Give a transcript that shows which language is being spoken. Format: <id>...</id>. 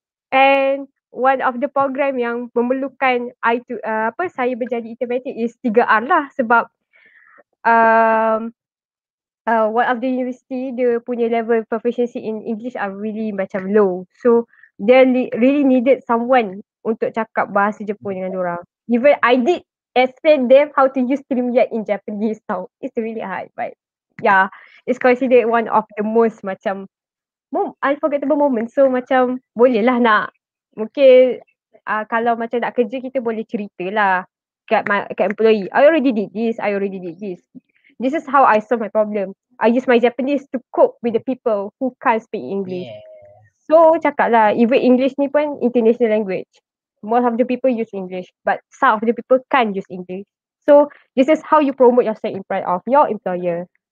<en>And one of the program</en> <ms>yang memerlukan</ms> <en>I to,</en> <ms>apa saya menjadi</ms> <en>interpreter is 3R</en> <ms>lah sebab</ms> <en>one of the university</en> <ms>dia punya</ms> <en>level proficiency in English are really</en> <ms>macam</ms> <en>low. So they really needed someone</en> <ms>untuk cakap bahasa Jepun dengan diorang.</ms> <en>Even I did explain them how to use StreamYard in Japanese</en> <ms>tau.</ms> <en>It's really hard but yeah, it's considered one of the most</en> <ms>macam</ms> <en>unforgettable moment.</en> <ms>So macam boleh lah nak mungkin kalau macam nak kerja kita boleh ceritalah kat employee.</ms> <en>I already did this, I already did this. This is how I solve my problem. I use my Japanese to cope with the people who can't speak English. Yeah. So</en> <ms>cakap lah,</ms> <en>even English</en> <ms>ni pun</ms> <en>international language. Most of the people use English but some of the people can't use English. So this is how you promote yourself in front of your employer.</en>